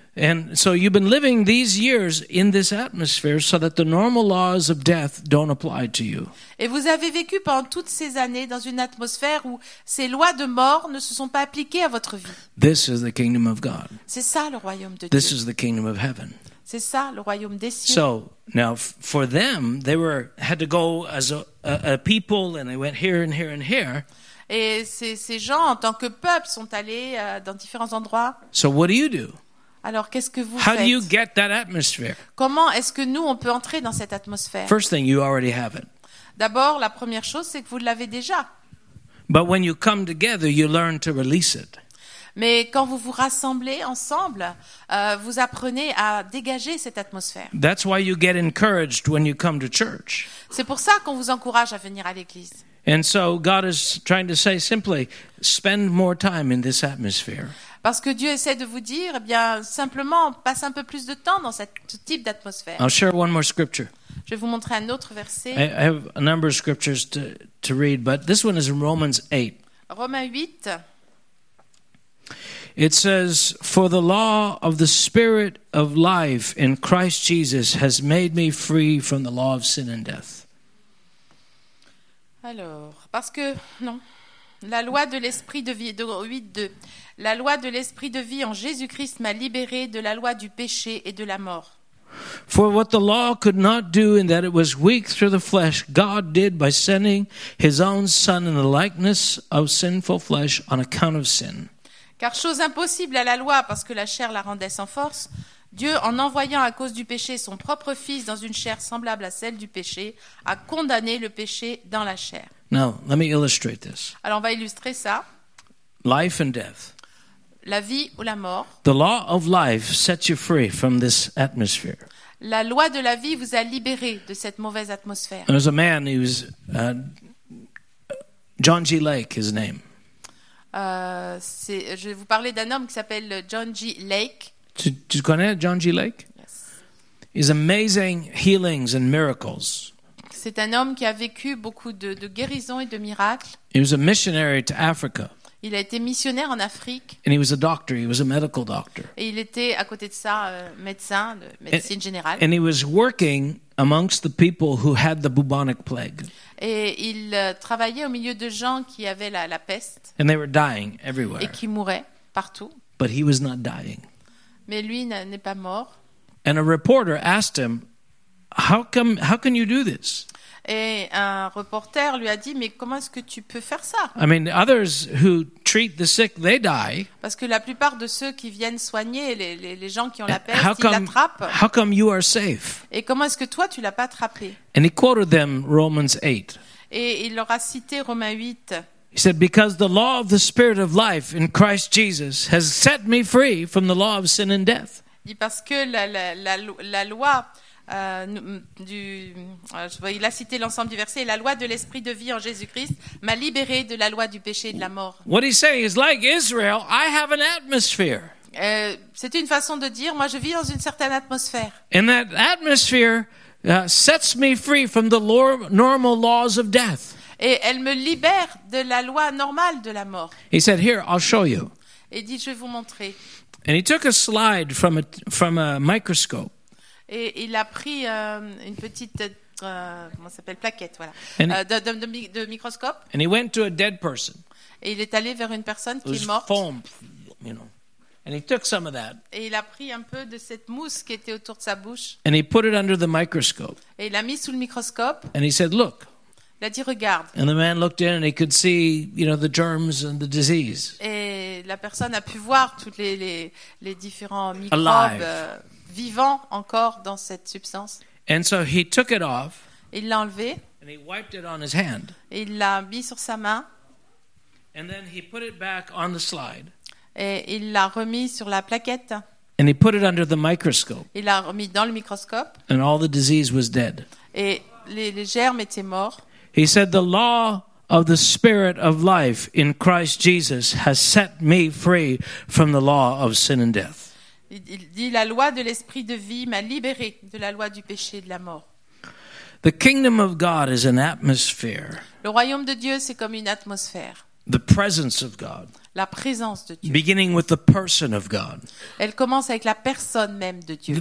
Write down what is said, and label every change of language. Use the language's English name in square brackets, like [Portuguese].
[English] And so you've been living these years in this atmosphere so that the normal laws of death don't apply to you. [French] Et vous avez vécu pendant toutes ces années dans une atmosphère où ces lois de mort ne se sont pas appliquées à votre vie. [English] This is the kingdom of God. [French] C'est ça le royaume de Dieu. [English] This is the kingdom of heaven. [French] C'est ça le royaume des cieux. [English] So now for them they had to go as a people and they went here and here and here. [French] Et ces gens en tant que peuple sont allés dans différents endroits. [English] So what do you do? [French] Alors, qu'est-ce que vous [English] How [French] faites? [English] Do you get that atmosphere? [French] Comment est-ce que nous on peut entrer dans cette atmosphère? [English] First thing, you already have it. [French] D'abord, la première chose, c'est que vous l'avez déjà. [English] But when you come together, you learn to release it. [French] Mais quand vous vous rassemblez ensemble, vous apprenez à dégager cette atmosphère. [English] That's why you get encouraged when you come to church. [French] C'est pour ça qu'on vous encourage à venir à l'église. [English] And so God is trying to say simply, spend more time in this atmosphere. [French] Parce que Dieu essaie de vous dire, eh bien, simplement, passe un peu plus de temps dans ce type d'atmosphère. [English] I'll share one more scripture. [French] Je vais vous montrer un autre verset. [English] I have a number of scriptures to read, but this one is in Romans 8. [French] Romains 8. [English] It says, For the law of the spirit of life in Christ Jesus has made me free from the law of sin and death. [French] Alors, parce que, non, la loi de l'esprit de vie, 8:2. La loi de l'esprit de vie en Jésus-Christ m'a libéré de la loi du péché et de la mort. [English] For what the law could not do in that it was weak through the flesh, God did by sending his own son in the likeness of sinful flesh on account of sin. [French] Car chose impossible à la loi parce que la chair la rendait sans force, Dieu en envoyant à cause du péché son propre fils dans une chair semblable à celle du péché, a condamné le péché dans la chair. [English] Now, let me illustrate this. [French] Alors on va illustrer ça. [English] Life and death. [French] La vie ou la mort. [English] The law of life sets you free from this atmosphere. [French] La loi de la vie vous a libéré de cette mauvaise atmosphère. [English] There was a man, he was John G. Lake, his name. [French] Je vais vous parler d'un homme qui s'appelle John G. Lake. Tu connais John G. Lake? [English] Yes. His amazing healings and miracles. [French] C'est un homme qui a vécu beaucoup de guérisons et de miracles. [English] He was a missionary to Africa. [French] Il a été missionnaire en Afrique. [English] And he was a doctor. He was a medical doctor. [French] Et il était à côté de ça médecin de médecine générale. [English] And he was working amongst the people who had the bubonic plague. [French] Et il travaillait au milieu de gens qui avaient la peste. [English] And they were dying everywhere. [French] Et qui mouraient partout. [English] But he was not dying. [French] Mais lui n'est pas mort. [English] And a reporter asked him, How can you do this? [French] Et un reporter lui a dit, mais comment est-ce que tu peux faire ça? [English] I mean, others who treat the sick, they die. [French] Parce que la plupart de ceux qui viennent soigner, les gens qui ont la peste, ils l'attrapent. [English] How come you are safe? [French] Et comment est-ce que toi, tu ne l'as pas attrapé? [English] And he quoted them Romans 8. [French] Et il leur a cité Romains 8. [English] He said, because the law of the spirit of life in Christ Jesus has set me free from the law of sin and death. [French] Il dit, parce que la loi... il a cité l'ensemble du verset. La loi de l'esprit de vie en Jésus-Christ m'a libéré de la loi du péché et de la mort. [English] What he's saying is like Israel, I have an atmosphere. [French] C'est une façon de dire, moi, je vis dans une certaine atmosphère. [English] And that atmosphere sets me free from the normal laws of death. [French] Et elle me libère de la loi normale de la mort. [English] He said, here, I'll show you. [French] Et dit, je vais vous montrer. [English] And he took a slide from a microscope. [French] Et il a pris une petite comment ça s'appelle, plaquette, voilà, de microscope. [English] And he went to a dead person. [French] Et il est allé vers une personne qui est morte. [English] Foam, you know. And he took some of that. [French] Et il a pris un peu de cette mousse qui était autour de sa bouche. [English] And he put it under the microscope. [French] Et il l'a mis sous le microscope. [English] And he said, look. [French] Il a dit, regarde. [English] And the man looked in and he could see, you know, the germs and the disease. [French] Et la personne a pu voir toutes les différents microbes. [English] Alive. [French] Vivant encore dans cette substance. [English] And so he took it off. [French] Il l'a enlevé. [English] And he wiped it on his hand. [French] Et il l'a mis sur sa main. [English] And then he put it back on the slide. [French] Et il l'a remis sur la plaquette. [English] And he put it under the microscope. [French] Il l'a remis dans le microscope. [English] And all the disease was dead. [French] Et les germes étaient morts. [English] He said, the law of the spirit of life in Christ Jesus has set me free from the law of sin and death. [French] Il dit, la loi de l'esprit de vie m'a libéré de la loi du péché et de la mort. [English] The kingdom of God is an atmosphere. [French] Le royaume de Dieu, c'est comme une atmosphère. [English] The presence of God. [French] La présence de Dieu. [English] Beginning with the person of God. [French] Elle commence avec la personne même de Dieu.